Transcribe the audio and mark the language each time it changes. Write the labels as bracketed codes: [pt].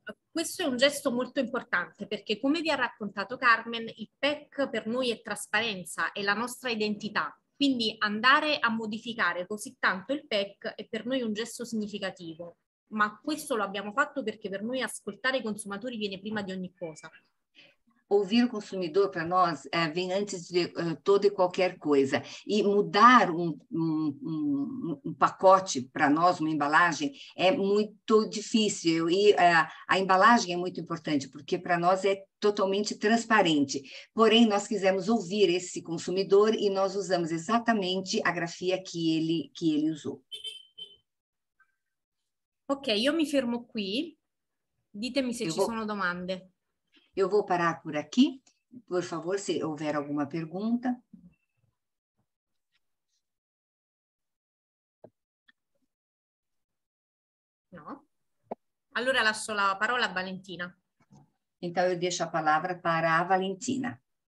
[it] Questo è un gesto molto importante perché, come vi ha raccontato Carmen, il PEC per noi è trasparenza, è la nostra identità. Quindi andare a modificare così tanto il PEC è per noi un gesto significativo. Ma questo lo abbiamo fatto perché per noi ascoltare i consumatori viene prima di ogni cosa. [pt] Ouvir o consumidor para nós vem antes de toda e qualquer coisa. E mudar um pacote para nós, uma embalagem, é muito difícil. E a embalagem é muito importante, porque para nós é totalmente transparente. Porém, nós quisemos ouvir esse consumidor e nós usamos exatamente a grafia que ele usou. [it] Ok, io mi fermo qui. Ditemi se ci sono domande. [pt] Io vou parar por aqui, por favor, se houver alguma pergunta. [it] No? Allora lascio la parola a Valentina. [pt] Então eu deixo a palavra para a Valentina.